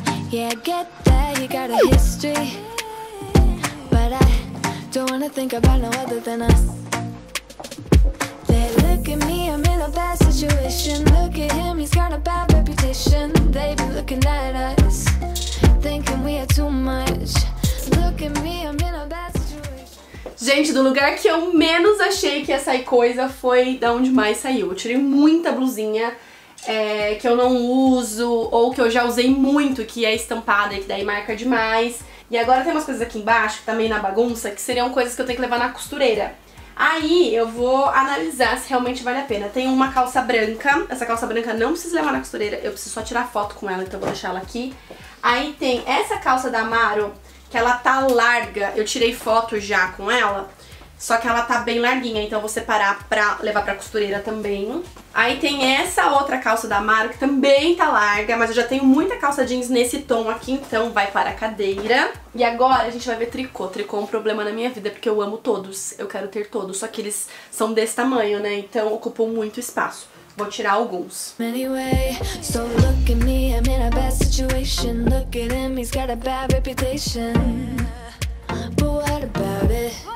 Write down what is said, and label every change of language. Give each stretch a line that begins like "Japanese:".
English: Yeah, I get that you got a history, but I don't wanna think about no other than us. They look at me, I'm in a bad situation. Look at him, he's got a bad reputation. They be looking at us, thinking we are too much. Look at me, I'm in a bad situation.
Portuguese: Gente, do lugar que eu menos achei que ia sair coisa foi da onde mais saiu. Eu tirei muita blusinha. É, que eu não uso, ou que eu já usei muito, que é estampada e que daí marca demais. E agora tem umas coisas aqui embaixo, que tá meio na bagunça, que seriam coisas que eu tenho que levar na costureira. Aí eu vou analisar se realmente vale a pena. Tem uma calça branca, essa calça branca não precisa levar na costureira, eu preciso só tirar foto com ela, então eu vou deixar ela aqui. Aí tem essa calça da Amaro, que ela tá larga, eu tirei foto já com ela. Só que ela tá bem larguinha, então eu vou separar pra levar pra costureira também. Aí tem essa outra calça da Amaro, que também tá larga, mas eu já tenho muita calça jeans nesse tom aqui, então vai para a cadeira. E agora a gente vai ver tricô. Tricô é um problema na minha vida, porque eu amo todos, eu quero ter todos. Só que eles são desse tamanho, né, então ocupam muito espaço. Vou tirar alguns.
English: Anyway, so look at me, I'm in a bad situation. Look at him, he's got a bad reputation. But what about it?